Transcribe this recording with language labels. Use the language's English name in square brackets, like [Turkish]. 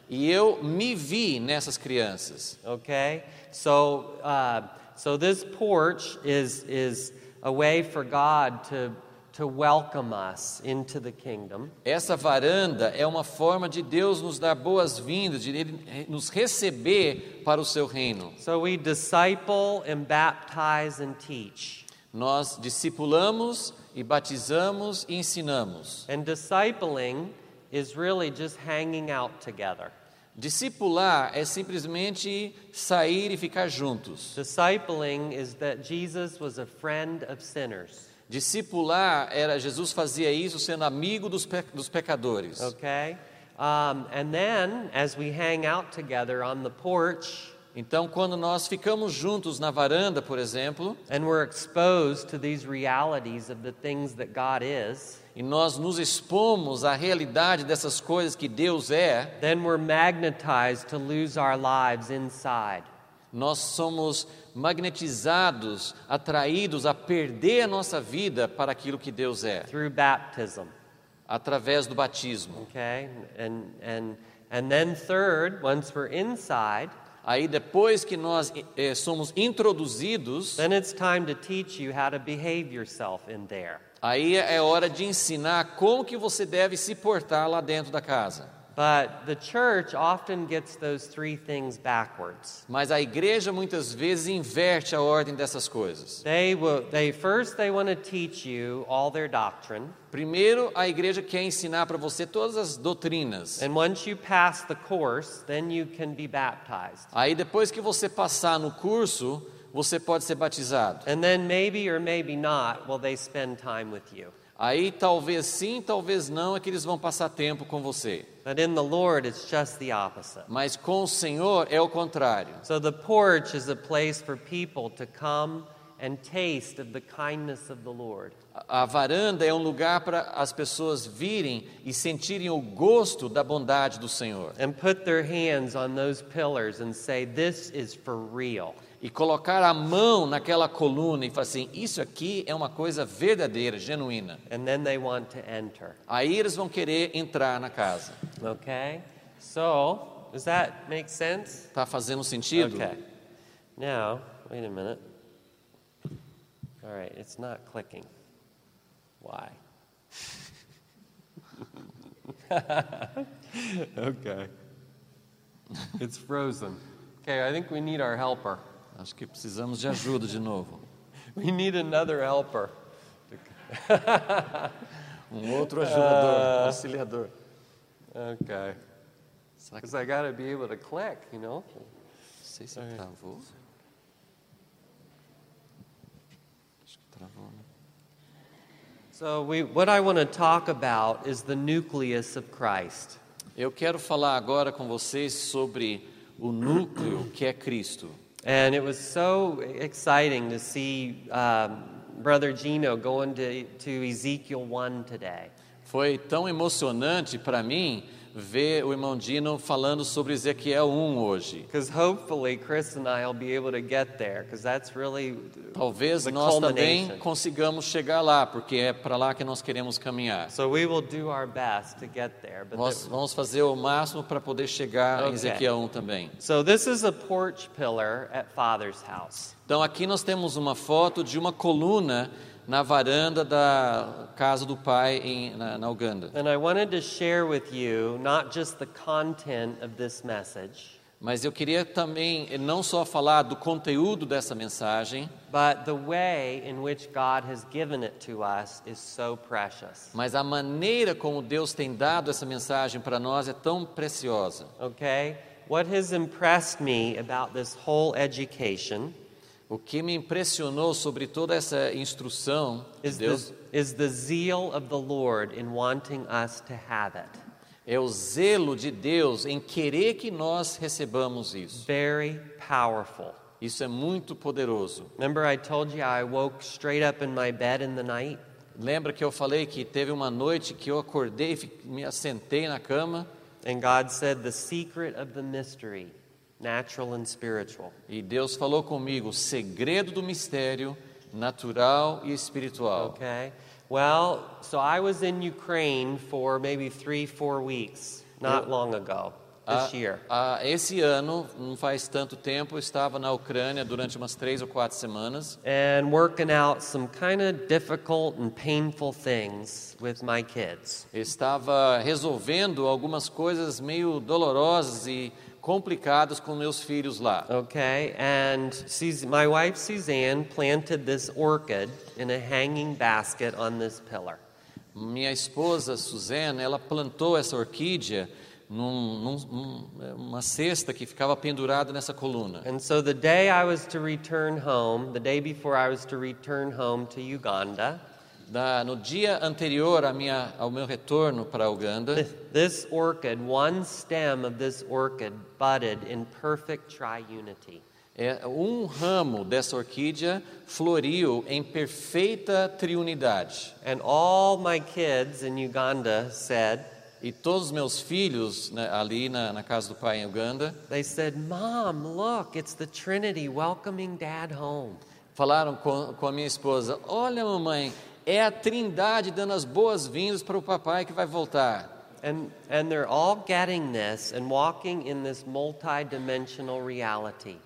[Portuguese] E eu me vi nessas crianças. [English] Okay? So this porch is a way for God to welcome us into the kingdom. [Portuguese] Essa varanda é uma forma de Deus nos dar boas-vindas, de ele nos receber para o seu reino. [English] So we disciple and baptize and teach. [Portuguese] Nós discipulamos e batizamos e ensinamos. [English] And discipling is really just hanging out together. [Portuguese] Discipular é simplesmente sair e ficar juntos. [English] Discipling is that Jesus was a friend of sinners. [Portuguese] Discipular era Jesus fazia isso sendo amigo dos pecadores. [English] Okay? And then as we hang out together on the porch, [Portuguese] então quando nós ficamos juntos na varanda, por exemplo, [English] and we're exposed to these realities of the things that God is, [Portuguese] e nós nos expomos à realidade dessas coisas que Deus é, [English] then we're magnetized to lose our lives inside. [Portuguese] Nós somos magnetizados, atraídos a perder a nossa vida para aquilo que Deus é. [English] Through baptism. [Portuguese] Através do batismo. [English] Okay? And then third, once we're inside, [Portuguese] aí depois que nós somos introduzidos, [English] then it's time to teach you how to behave yourself in there. [Portuguese] Aí é hora de ensinar como que você deve se portar lá dentro da casa. [English] But the church often gets those three things backwards. [Portuguese] Mas a igreja muitas vezes inverte a ordem dessas coisas. [English] They want to teach you all their doctrine. [Portuguese] Primeiro, a igreja quer ensinar para você todas as doutrinas. [English] And once you pass the course, then you can be baptized. [Portuguese] Aí depois que você passar no curso, você pode ser batizado. [English] And then maybe or maybe not will they spend time with you. [Portuguese] Aí talvez sim, talvez não, é que eles vão passar tempo com você. [English] But in the Lord, it's just the opposite. [Portuguese] Mas com o Senhor é o contrário. [English] So the porch is a place for people to come and taste of the kindness of the Lord. [Portuguese] A varanda é um lugar para as pessoas virem e sentirem o gosto da bondade do Senhor. [English] And put their hands on those pillars and say, "This is for real." [Portuguese] E colocar a mão naquela coluna e falar assim, isso aqui é uma coisa verdadeira, genuína. [English] And then they want to enter. [Portuguese] Aí eles vão querer entrar na casa. [English] Okay. So, does that make sense? [Portuguese] Tá fazendo sentido? [English] Okay. Now, wait a minute. All right, it's not clicking. Why? Okay. It's frozen. Okay, I think we need our helper. [Portuguese] Acho que precisamos de ajuda de novo. [English] We need another helper. [Portuguese] Um outro ajudador, auxiliador. [English] Okay. Because I gotta be able to click, you know? [Portuguese] Não sei se right. Travou. Acho que travou, né? [English] So what I want to talk about is the nucleus of Christ. [Portuguese] Eu quero falar agora com vocês sobre o núcleo que é Cristo. [English] And it was so exciting to see Brother Gino going to Ezekiel 1 today. [Portuguese] Foi tão emocionante para mim ver o irmão Gino falando sobre Ezequiel 1 hoje. [English] Because hopefully Chris and I will be able to get there, because that's really the culmination. [Portuguese] Talvez nós também consigamos chegar lá, porque é para lá que nós queremos caminhar. [English] So we will do our best to get there. But [Portuguese] nós vamos fazer o máximo para poder chegar em Ezequiel 1 também. [English] So this is a porch pillar at Father's house. [Portuguese] Então aqui nós temos uma foto de uma coluna na varanda da casa do pai na Uganda. [English] And I wanted to share with you not just the content of this message, [Portuguese] mas eu queria também não só falar do conteúdo dessa mensagem, [English] but the way in which God has given it to us is so precious. [Portuguese] Mas a maneira como Deus tem dado essa mensagem para nós é tão preciosa. [English] Okay? What has impressed me about this whole education, [Portuguese] o que me impressionou sobre toda essa instrução de Deus, [English] is the zeal of the Lord in wanting us to have it. [Portuguese] É o zelo de Deus em querer que nós recebamos isso. [English] Very powerful. [Portuguese] Isso é muito poderoso. [English] Remember I told you I woke straight up in my bed in the night? [Portuguese] Lembra que eu falei que teve uma noite que eu acordei e me assentei na cama? [English] And God said the secret of the mystery, natural and spiritual. [Portuguese] E Deus falou comigo o segredo do mistério, natural e espiritual. [English] Okay. Well, so I was in Ukraine for maybe 3-4 weeks, not long ago, this year. [Portuguese] Esse ano, não faz tanto tempo, estava na Ucrânia durante umas 3 ou 4 semanas. [English] And working out some kind of difficult and painful things with my kids. [Portuguese] Estava resolvendo algumas coisas meio dolorosas e complicados com meus filhos lá. [English] Okay, and my wife Suzanne planted this orchid in a hanging basket on this pillar. [Portuguese] Minha esposa Suzanne, ela plantou essa orquídea numa cesta que ficava pendurada nessa coluna. [English] And so the day I was to return home, the day before I was to return home to Uganda, [Portuguese] no dia anterior ao meu retorno para Uganda, [English] this orchid, one stem of this orchid budded in perfect triunity. [Portuguese] Um ramo dessa orquídea floriu em perfeita triunidade. [English] And all my kids in Uganda said, [Portuguese] e todos meus filhos, né, ali na casa do pai em Uganda, [English] they said, "Mom, look, it's the Trinity welcoming Dad home." [Portuguese] Falaram com a minha esposa, "Olha, mamãe, é a Trindade dando as boas-vindas para o papai que vai voltar." [English] And they're all getting this and walking in this multidimensional reality.